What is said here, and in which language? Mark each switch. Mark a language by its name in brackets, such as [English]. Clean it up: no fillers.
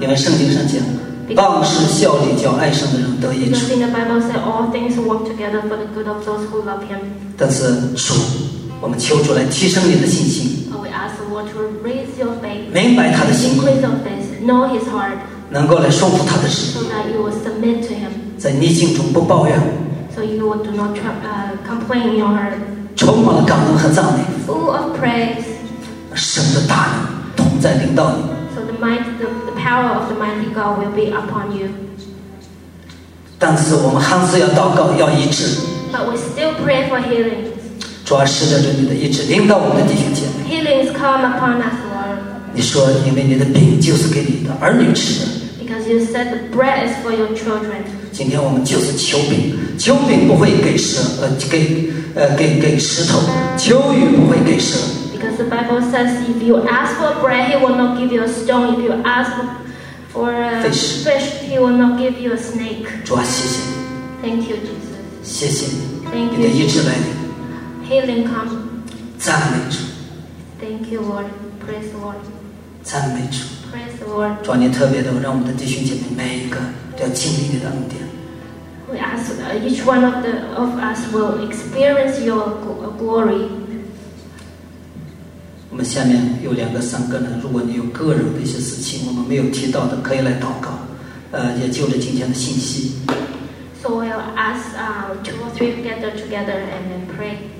[Chinese] 因为圣经上讲，万事效力叫爱神的人得益处。 [English] Because in the Bible says all things work together for the good of those who love Him. [Chinese] 但是主，我们求主来提升你的信心。 [English] We ask the Lord to raise your faith. [Chinese] 明白他的心。 [English] Increase your faith. Know His heart. [Chinese] 能够来顺服他的旨意。 [English] So that you will submit to Him. [Chinese] 在逆境中不抱怨。 [English] So you do not complain in your heart. [Chinese] 充满了感恩和赞美。 [English] Full of praise. [Chinese] 神的大能同在领导你。 [English] So the power of the mighty God will be upon you. [Chinese] 但是我们还是要祷告，要医治。 [English] But we still pray for healing. [Chinese] 主啊，施着你的医治，领导我们的弟兄姐妹。 [English] Healing is come upon us, Lord. [Chinese] 你说，因为你的饼就是给你的儿女吃的。 [English] Because you said the bread is for your children. [Chinese] 今天我们就是求饼，求饼不会给蛇，给石头，求雨不会给蛇。 [English] Because the Bible says, if you ask for bread, He will not give you a stone. If you ask for fish, He will not give you a snake. [Chinese] 主啊，谢谢。 [English] Thank you, Jesus. [Chinese] 谢谢。 [English] Thank you. [Chinese] 你的医治来临。 [English] Healing comes. [Chinese] 赞美主。 [English] Thank you, Lord. Praise the Lord. [Chinese] 赞美主。 [English] Praise the Lord. [Chinese] 主啊，你特别的让我们的弟兄姐妹每一个都要经历你的恩典。 [English] We ask each one of us will experience your glory. [Chinese] 我们下面有两个三个人，如果你有个人的一些事情我们没有提到的，可以来祷告。也就着今天的信息。 [English] So we'll ask two or three gather together and then pray.